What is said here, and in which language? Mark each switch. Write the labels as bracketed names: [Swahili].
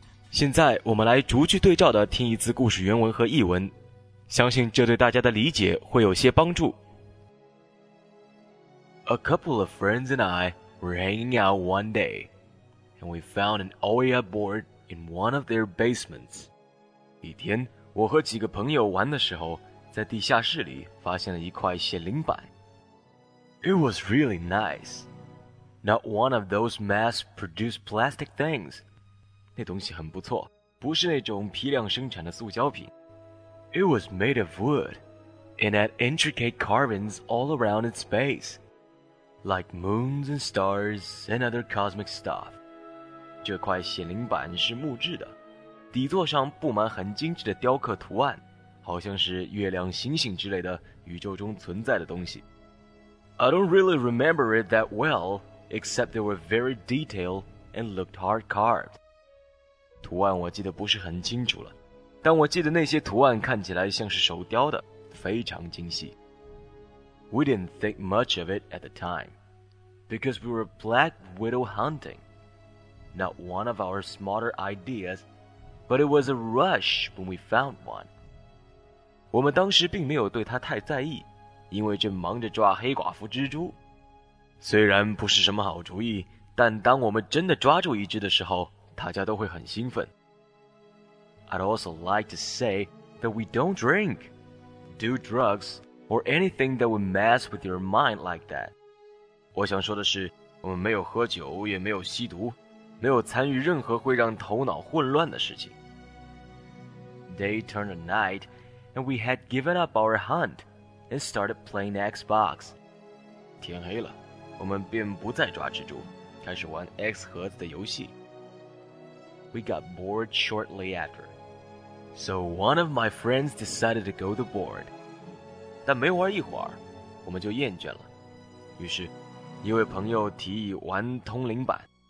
[Chinese] 现在我们来逐句对照的听一次故事原文和译文，相信这对大家的理解会有些帮助。 [English] A couple of friends and I were hanging out one day, and we found an Ouija board in one of their basements. [Chinese] 一天，我和几个朋友玩的时候，在地下室里发现了一块显灵板。 [English] It was really nice. Not one of those mass-produced plastic things. [Chinese] 那东西很不错，不是那种批量生产的塑胶品。 [English] It was made of wood, and had intricate carvings all around its base, like moons and stars and other cosmic stuff. [Chinese] 这块显灵板是木质的，底座上布满很精致的雕刻图案，好像是月亮、星星之类的宇宙中存在的东西。 [English] I don't really remember it that well, except they were very detailed and looked hard-carved. [Chinese] 图案我记得不是很清楚了，但我记得那些图案看起来像是手雕的，非常精细。 [English] We didn't think much of it at the time, because we were Black Widow hunting. Not one of our smarter ideas, but it was a rush when we found one. [Chinese] 我们当时并没有对他太在意，因为正忙着抓黑寡妇蜘蛛。虽然不是什么好主意，但当我们真的抓住一只的时候，大家都会很兴奋。 [English] I'd also like to say that we don't drink, do drugs, or anything that would mess with your mind like that. [Chinese] 我想说的是，我们没有喝酒，也没有吸毒，没有参与任何会让头脑混乱的事情。 [English] Day turned to night, and we had given up our hunt and started playing Xbox. [Chinese] 天黑了，我们便不再抓蜘蛛，开始玩 X 盒子的游戏。 [English] We got bored shortly after. So one of my friends decided to go to board. [Chinese] 但没玩一会儿，我们就厌倦了。于是，一位朋友提议玩通灵板。